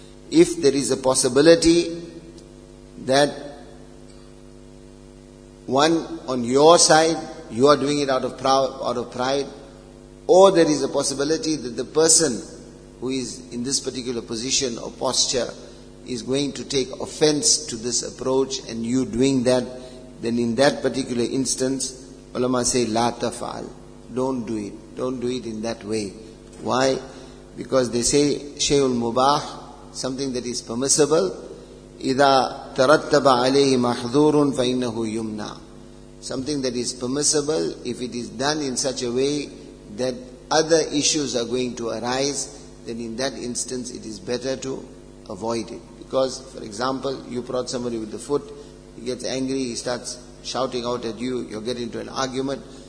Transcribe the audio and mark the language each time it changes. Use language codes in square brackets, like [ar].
[en] If there is a possibility that one on your side, you are doing it out of pride, or there is a possibility that the person who is in this particular position or posture is going to take offense to this approach and you doing that, then in that particular instance, ulama say, [ar] لا تفعل. [en] Don't do it. Don't do it in that way. Why? Because they say, [ar] شيء المباح, [en] something that is permissible, [ar] إِذَا تَرَتَّبَ عَلَيْهِ مَحْذُورٌ فَإِنَّهُ يُمْنَى. [en] Something that is permissible, if it is done in such a way that other issues are going to arise, then in that instance it is better to avoid it. Because, for example, you prod somebody with the foot, he gets angry, he starts shouting out at you, you get into an argument.